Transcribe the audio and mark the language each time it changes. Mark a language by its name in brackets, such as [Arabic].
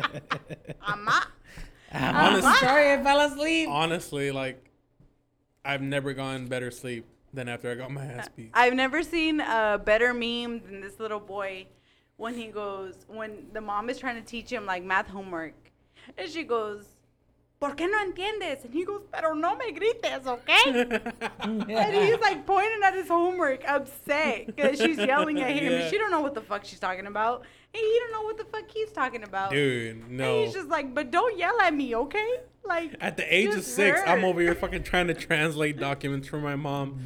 [English] Sorry, I fell asleep. Honestly, like, I've never gotten better sleep than after I got my ass beat. I've never seen a better meme than this little boy when he goes, when the mom is trying to teach him, like, math homework. And she goes, [Spanish] ¿Por qué no entiendes? [English] And he goes, [Spanish] pero no me grites, [English] okay? And he's like pointing at his homework, upset, because she's yelling at him. Yeah. She don't know what the fuck she's talking about. And he don't know what the fuck he's talking about. Dude, no. And he's just like, but don't yell at me, okay? Like, at the age of six, I'm over here fucking trying to translate documents for my mom.